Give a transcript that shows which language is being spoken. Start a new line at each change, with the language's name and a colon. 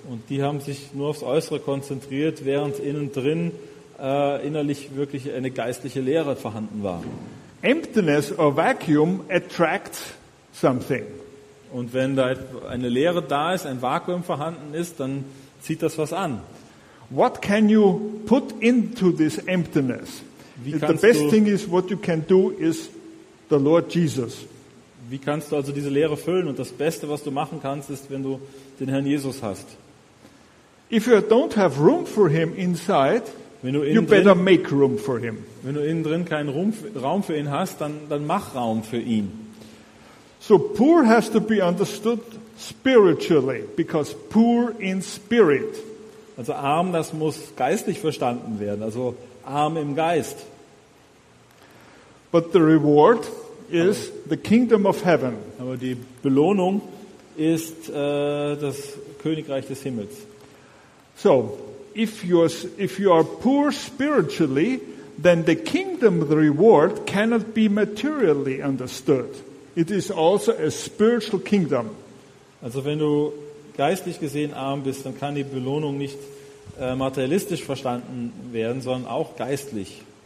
German: Und die haben sich nur aufs Äußere konzentriert, während innen drin innerlich wirklich eine geistliche Leere vorhanden war.
English: Emptiness or vacuum attracts something.
German: Und wenn da eine Leere da ist, ein Vakuum vorhanden ist, dann zieht das was an.
English: What can you put into this emptiness? The best thing is what you can do is the Lord Jesus.
German: Wie kannst du also diese Leere füllen? Und das Beste, was du machen kannst, ist, wenn du den Herrn Jesus hast.
English: If you don't have room for him inside, you better make room for him.
German: Wenn du innen drin keinen Raum für ihn hast, dann mach Raum für ihn.
English: So poor has to be understood spiritually, because poor in spirit.
German: Also arm, das muss geistlich verstanden werden, also arm im Geist.
English: But the reward, is the kingdom of heaven.
German: Aber die Belohnung ist das Königreich des Himmels.
English: So, if you are poor spiritually, then the kingdom reward cannot be materially understood. It is also a spiritual kingdom.
German: Also wenn du geistlich gesehen arm bist, dann kann die Belohnung nicht materialistisch verstanden werden, sondern auch geistlich.